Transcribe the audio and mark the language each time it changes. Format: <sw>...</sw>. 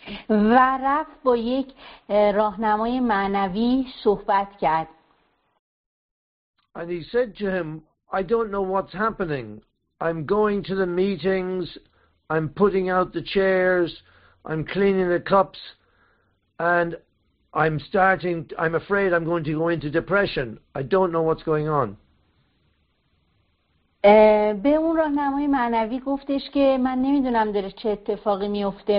<fa>و رفت با یک راهنمای معنوی صحبت کرد.</fa> <en>And he said to him, I don't know what's happening. I'm going to the meetings, I'm putting out the chairs, I'm cleaning the cups, and I'm afraid I'm going to go into depression. I don't know what's going on.</en> <fa>به اون راهنمای معنوی گفتش که من نمیدونم داره چه اتفاقی میفته.</fa>